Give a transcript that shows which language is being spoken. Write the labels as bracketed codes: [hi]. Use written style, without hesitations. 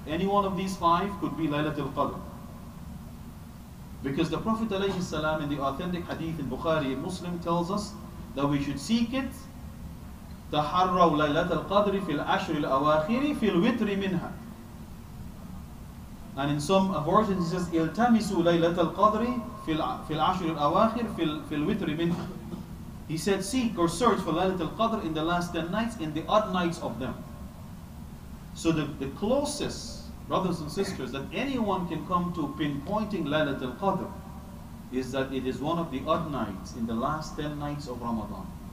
[en] Any one of these five could be Laylatul Qadr. Because the Prophet alayhi salam in the authentic hadith in Bukhari and Muslim tells us that we should seek it, [ar] تَحَرَّوْ لَيْلَةَ الْقَدْرِ فِي الْعَشْرِ الْأَوَاخِرِ فِي الْوِتْرِ مِنْهَا. [en] And in some versions it says, [ar] إِلْتَمِسُوا لَيْلَةَ الْقَدْرِ فِي الْعَشْرِ الْأَوَاخِرِ فِي الْوِتْرِ مِنْهَا. [en] He said, seek or search for Laylatul Qadr in the last 10 nights, in the odd nights of them. So the closest, brothers and sisters, that anyone can come to pinpointing Laylatul Qadr is that it is one of the odd nights in the last 10 nights of Ramadan.